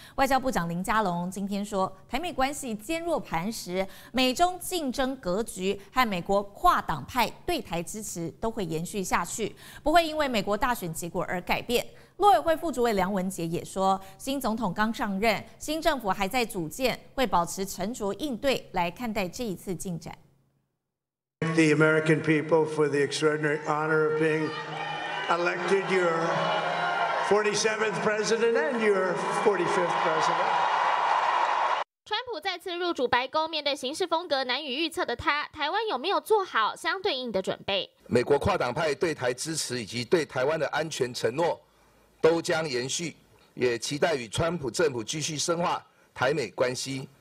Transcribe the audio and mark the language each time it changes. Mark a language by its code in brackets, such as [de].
[zh] 外交部长林佳龙今天说，台美关系坚若磐石，美中竞争格局和美国跨党派对台支持都会延续下去，不会因为美国大选结果而改变。陆委会副主委梁文杰也说，新总统刚上任，新政府还在组建，会保持沉着应对来看待这一次进展。 [en] The American people for the extraordinary honor of being elected your 47th president and your 45th president. [zh] 川普再次入主白宫，面对行事风格难以预测的他，台湾有没有做好相对应的准备？美国跨党派对台支持以及对台湾的安全承诺都将延续，也期待与川普政府继续深化台美关系。